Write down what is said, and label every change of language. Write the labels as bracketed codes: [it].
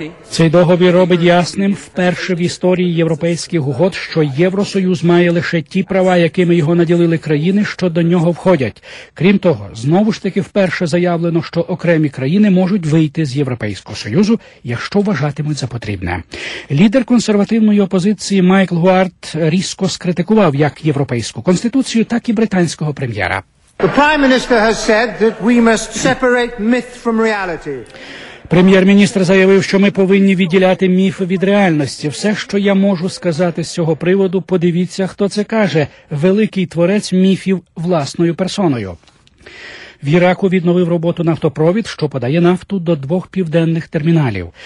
[uk] Цей договір робить ясним вперше в історії європейських угод, що Євросоюз має лише ті права, якими його наділили країни, що до нього входять. Крім того, знову ж таки вперше заявлено, що окремі країни можуть вийти з Європейського Союзу, якщо вважатимуть за потрібне. Лідер консервативної опозиції Майкл Гуарт різко скритикував як європейську конституцію, так і британського прем'єра. [en] The Prime Minister has said that we must separate myth from reality. [uk] Прем'єр-міністр заявив, що ми повинні відділяти міфи від реальності. Все, що я можу сказати з цього приводу, подивіться, хто це каже. Великий творець міфів власною персоною. В Іраку відновив роботу нафтопровід, що подає нафту до двох південних терміналів.